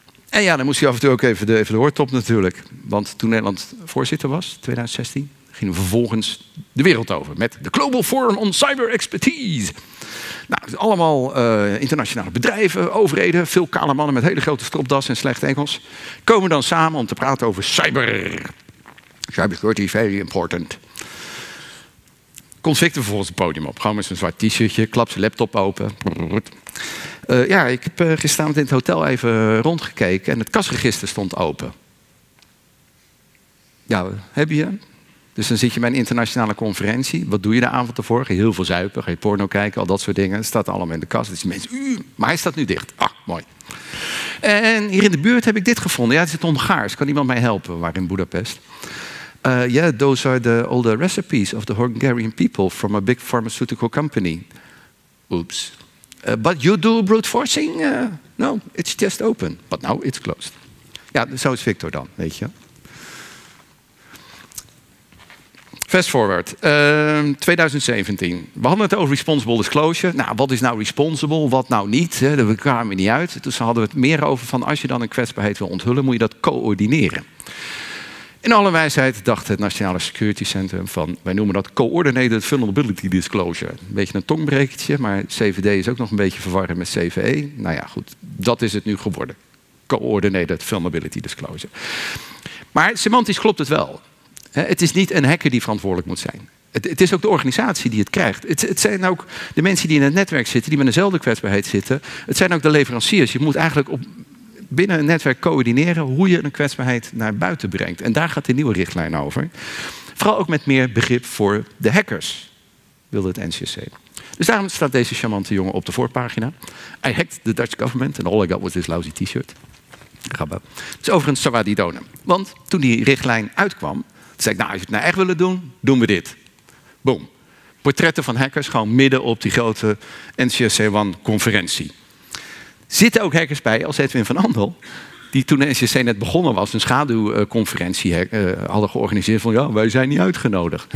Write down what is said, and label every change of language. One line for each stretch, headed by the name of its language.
Dutch: En ja, dan moest hij af en toe ook even de hoortop natuurlijk. Want toen Nederland voorzitter was, 2016, gingen we vervolgens de wereld over met de Global Forum on Cyber Expertise. Nou, allemaal internationale bedrijven, overheden, veel kale mannen met hele grote stropdas en slecht Engels, komen dan samen om te praten over cyber.
English: Cybersecurity is very important.
Dutch: Conflicten vervolgens het podium op. Gewoon met zijn zwart t-shirtje, klap zijn laptop open. Ja, ik heb gisteravond in het hotel even rondgekeken en het kasregister stond open. Ja, heb je? Dus dan zit je bij een internationale conferentie. Wat doe je de avond ervoor? Ga je heel veel zuipen, ga je porno kijken, al dat soort dingen. Het staat allemaal in de kast. Dus mensen, maar hij staat nu dicht. Ah, mooi. En hier in de buurt heb ik dit gevonden. Ja, het is het Hongaars. Kan iemand mij helpen? Waar in Budapest?
English: Yeah, those are the older recipes of the Hungarian people from a big pharmaceutical company. Oops. But you do brute forcing? No, it's just open. But now it's closed.
Dutch: Ja, zo is Victor dan, weet je. Fast forward, 2017. We hadden het over responsible disclosure. Nou, wat is nou responsible, wat nou niet? We kwamen er niet uit. Dus dan hadden we het meer over van als je dan een kwetsbaarheid wil onthullen, moet je dat coördineren. In alle wijsheid dacht het Nationale Security Centrum van, wij noemen dat Coordinated Vulnerability Disclosure. Een beetje een tongbrekertje, maar CVD is ook nog een beetje verwarrend met CVE. Nou ja, goed, dat is het nu geworden. Coordinated Vulnerability Disclosure. Maar semantisch klopt het wel. Het is niet een hacker die verantwoordelijk moet zijn. Het is ook de organisatie die het krijgt. Het zijn ook de mensen die in het netwerk zitten, die met dezelfde kwetsbaarheid zitten. Het zijn ook de leveranciers. Je moet eigenlijk binnen een netwerk coördineren hoe je een kwetsbaarheid naar buiten brengt. En daar gaat de nieuwe richtlijn over. Vooral ook met meer begrip voor de hackers, wilde het NCSC. Dus daarom staat deze charmante jongen op de voorpagina.
English: I hacked the Dutch government and all I got was this lousy t-shirt.
Dutch: Grappig. Het is overigens Sawadi Donen. Want toen die richtlijn uitkwam, zei ik, nou, als je het nou echt willen doen, doen we dit. Boom. Portretten van hackers, gewoon midden op die grote NCSC One-conferentie. Zitten ook hackers bij, als Edwin van Andel, die toen de NCSC net begonnen was, een schaduwconferentie hadden georganiseerd van, ja, wij zijn niet uitgenodigd.